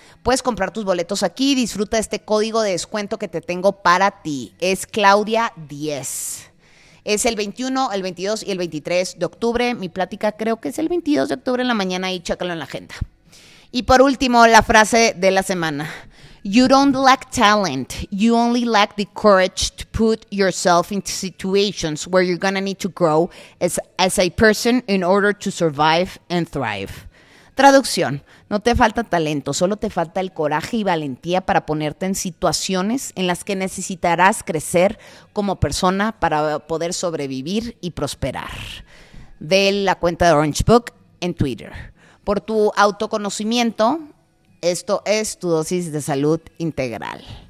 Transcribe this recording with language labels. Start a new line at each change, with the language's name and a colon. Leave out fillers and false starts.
Spanish: Puedes comprar tus boletos aquí y disfruta de este código de descuento que te tengo para ti. Es Claudia10. Es el 21, el 22 y el 23 de octubre. Mi plática creo que es el 22 de octubre en la mañana y chécalo en la agenda. Y por último, la frase de la semana.
English: You don't lack talent. You only lack the courage to put yourself into situations where you're gonna need to grow as a person in order to survive and thrive.
Spanish: Traducción. No te falta talento, solo te falta el coraje y valentía para ponerte en situaciones en las que necesitarás crecer como persona para poder sobrevivir y prosperar. De la cuenta de Orange Book en Twitter. Por tu autoconocimiento, esto es tu dosis de salud integral.